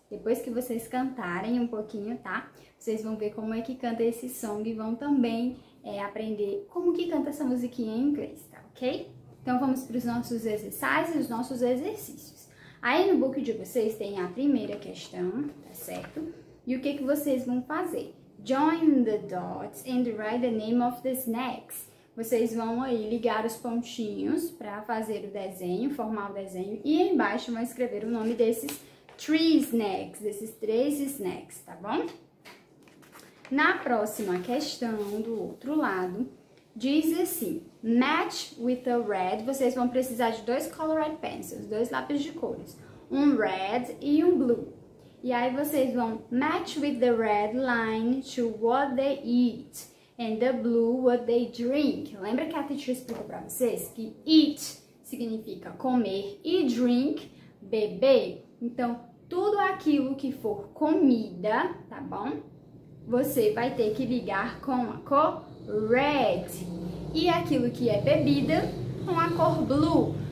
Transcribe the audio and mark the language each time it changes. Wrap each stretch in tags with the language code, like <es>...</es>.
<pt>Depois que vocês cantarem um pouquinho, tá? Vocês vão ver como é que canta esse song e vão também aprender como que canta essa musiquinha em inglês, tá ok? Então vamos para os nossos exercícios, os nossos exercícios. Aí no book de vocês tem a primeira questão, tá certo? E o que que vocês vão fazer?</pt> <en>Join the dots and write the name of the snacks.</en> <pt>Vocês vão aí ligar os pontinhos para fazer o desenho, formar o desenho. E embaixo vão escrever o nome desses 3 snacks, desses 3 snacks, tá bom? Na próxima questão, do outro lado, diz assim,</pt> <en>match with a red,</en> <pt>vocês vão precisar de 2 colored pencils, 2 lápis de cores, um red e um blue. E aí vocês vão</pt> <en>match with the red line to what they eat and the blue what they drink.</en> <pt>Lembra que a teacher explicou pra vocês que eat significa comer e drink, beber? Então, tudo aquilo que for comida, tá bom? Você vai ter que ligar com a cor red. E aquilo que é bebida, com a cor blue.</pt>